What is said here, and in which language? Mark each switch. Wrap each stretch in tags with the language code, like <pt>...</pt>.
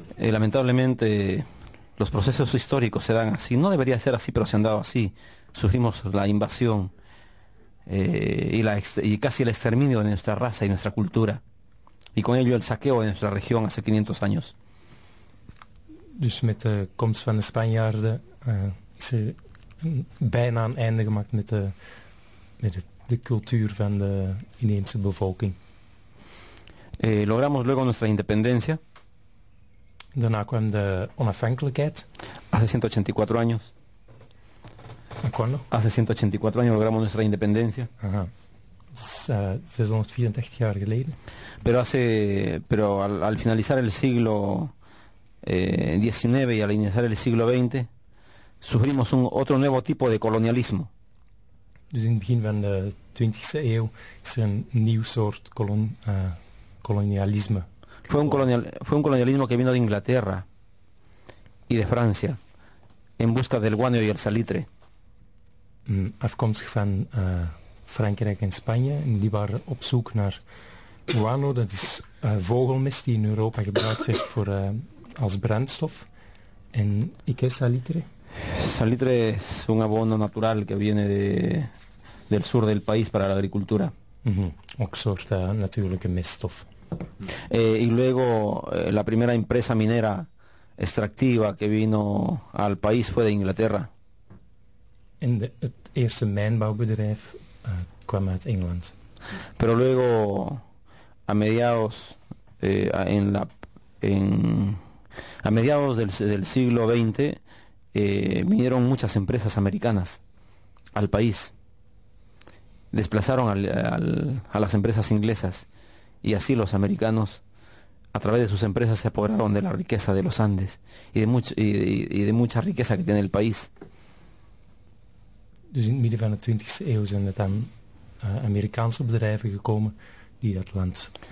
<es>Lamentablemente, los procesos históricos se dan así. No debería ser así, pero se han dado así. Sufrimos la invasión y casi el exterminio de nuestra raza y nuestra cultura. Y con ello el saqueo de nuestra región hace 500 años.</es> <nl>Dus met de komst van de Spanjaarden is er bijna een einde gemaakt met de cultuur van de inheemse bevolking.</nl> <es>Logramos luego nuestra independencia.</es> <nl>Daarna kwam de onafhankelijkheid.</nl> <es>Hace 184 años. ¿En cuándo? Hace 184 años logramos nuestra independencia.</es> <nl>Ajá. Dus, 684 jaar geleden.</nl> <es>Pero hace, pero al, al finalizar el siglo XIX y al iniciar el siglo XX, sufrimos un otro nuevo tipo de colonialismo.</es> <nl>Dus in het begin van de 20e eeuw is er een nieuw soort kolonialisme.</nl> <es>Fue un colonialismo que vino de Inglaterra y de Francia en busca del guano y el salitre.</es> <nl>Afkomstig van Frankrijk en Spanje, en die waren op zoek naar guano, dat is vogelmest die in Europa gebruikt werd voor, als brandstof. En ik heb salitre.</nl> <es>Salitre es un abono natural que viene de, del sur del país para la agricultura. Uh-huh.</es> <nl>Ook soort natuurlijke meststof.</nl> <es>Y luego la primera empresa minera extractiva que vino al país fue de Inglaterra.</es> <nl>En de, het eerste mijnbouwbedrijf kwam uit Engeland.</nl> <es>Pero luego a mediados en la en a mediados del, del siglo XX vinieron muchas empresas americanas al país. Desplazaron al, al, a las empresas inglesas. Y así los americanos, a través de sus empresas, se apoderaron de la riqueza de los Andes y de, much, y de mucha riqueza que tiene el país.</es> <nl>Dus in het midden van de 20e eeuw zijn het dan Amerikaanse bedrijven gekomen die dat land.</nl>